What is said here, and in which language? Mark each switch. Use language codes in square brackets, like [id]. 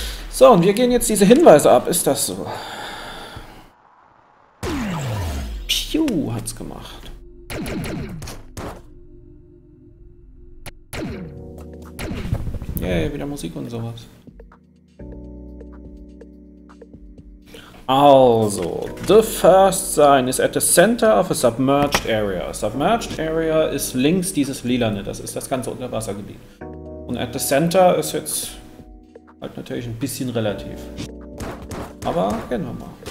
[de] So, und wir gehen jetzt diese Hinweise ab. Ist das so? Piu, hat's gemacht. Yay, wieder Musik und sowas. [en] Also, the first sign is at the center of a submerged area. [de] Submerged area ist links dieses lilane, das ist das ganze Unterwassergebiet. Und [en] at the center [de] ist jetzt halt natürlich ein bisschen relativ. Aber gehen wir mal.